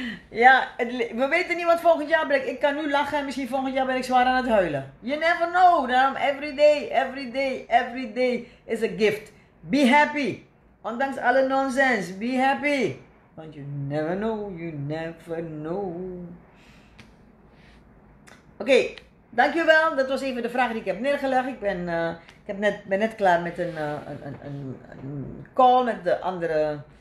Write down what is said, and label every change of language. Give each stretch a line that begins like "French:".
Dutch: Ja, we weten niet wat volgend jaar brengt. Ik kan nu lachen en misschien volgend jaar ben ik zwaar aan het huilen.
English: You never know. Daarom every day, every day, every day is a gift. Be happy.
Dutch: Ondanks alle nonsens,
English: be happy. Want you never know, you never know.
Dutch: Oké, dankjewel. Dat was even de vraag die ik heb neergelegd. Ik ben net klaar met een call met de andere...